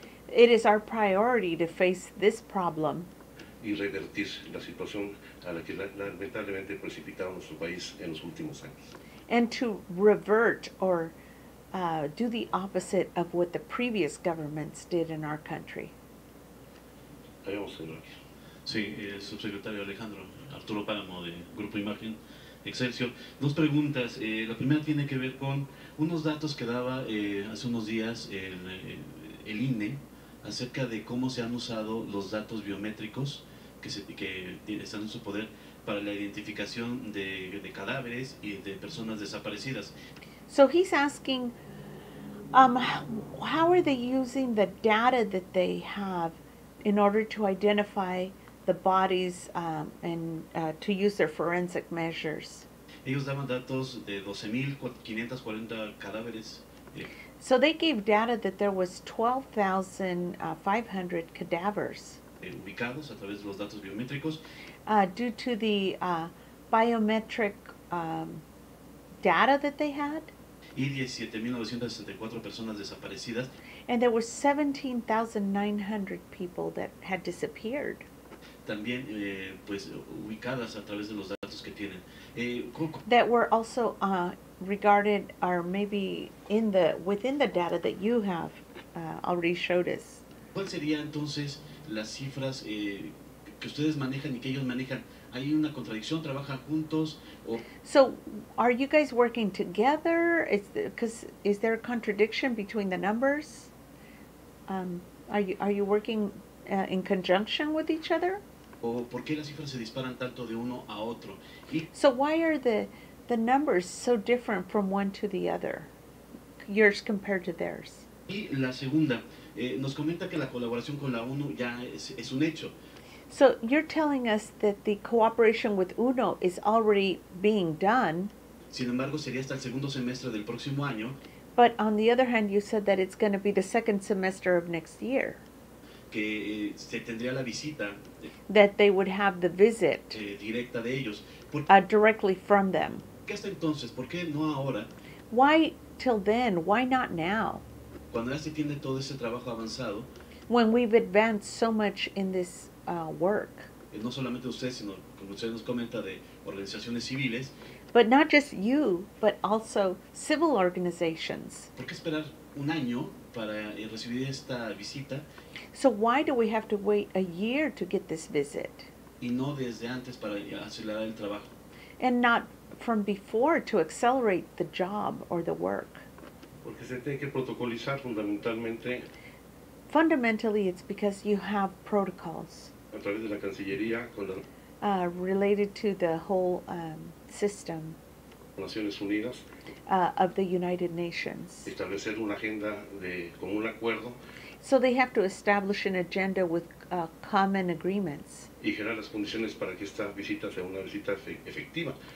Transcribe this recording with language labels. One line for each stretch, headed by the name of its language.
English: It is our priority to face this problem
Spanish: y revertir la situación a la que lamentablemente precipitado nuestro país en los últimos años.
English: And to revert or do the opposite of what the previous governments did in our country.
Spanish: Sí, el subsecretario Alejandro Arturo Páramo de Grupo Imagen Excelsior. Dos preguntas. La primera tiene que ver con unos datos que daba hace unos días el INE acerca de cómo se han usado los datos biométricos que están en su poder para la identificación de cadáveres y de personas desaparecidas.
English: So he's asking, how are they using the data that they have in order to identify the bodies and to use their forensic measures?
Spanish: Ellos daban datos de 12,540 cadáveres.
English: So they gave data that there was 12,500 cadavers
Spanish: ubicados a través de los datos biométricos.
English: Due to the biometric data that they had.
Spanish: Y 17,964 personas desaparecidas.
English: And there were 17,900 people that had disappeared.
Spanish: También pues ubicadas a través de los datos que tienen.
English: That were also regarded or maybe within the data that you have already showed us.
Spanish: ¿Cuál sería entonces las cifras que ustedes manejan y que ellos manejan? ¿Hay una contradicción? ¿Trabajan juntos?
English: So, are you guys working together? Is there a contradiction between the numbers? Are you working in conjunction with each other?
Spanish: ¿O por qué las cifras se disparan tanto de uno a otro?
English: So, why are the numbers so different from one to the other? Yours compared to theirs.
Spanish: Y la segunda, nos comenta que la colaboración con la ONU ya es un hecho.
English: So you're telling us that the cooperation with UNO is already being done.
Spanish: Sin embargo, sería hasta el segundo semestre del próximo año.
English: But on the other hand, you said that it's going to be the second semester of next year.
Spanish: Que se tendría la visita.
English: That they would have the visit.
Spanish: Directa de ellos.
English: Directly from them.
Spanish: ¿Qué hasta entonces? ¿Por qué no ahora?
English: Why till then? Why not now?
Spanish: Cuando ya se tiene todo ese trabajo avanzado.
English: When we've advanced so much in this work.
Spanish: No solamente usted, sino como usted nos comenta, de organizaciones civiles.
English: But not just you, but also civil organizations.
Spanish: ¿Por qué esperar un año para recibir esta visita?
English: So why do we have to wait a year to get this visit?
Spanish: Y no desde antes para acelerar el trabajo.
English: And not from before to accelerate the job or the work.
Spanish: Porque se tiene que protocolizar fundamentalmente.
English: Fundamentally, it's because you have protocols.
Spanish: A través de la Cancillería con la
English: related to the whole system
Spanish: Naciones Unidas,
English: of the United Nations.
Spanish: Establecer una agenda de común acuerdo.
English: So they have to establish an agenda with common agreements.
Spanish: Y generar las condiciones para que esta visita sea una visita efectiva.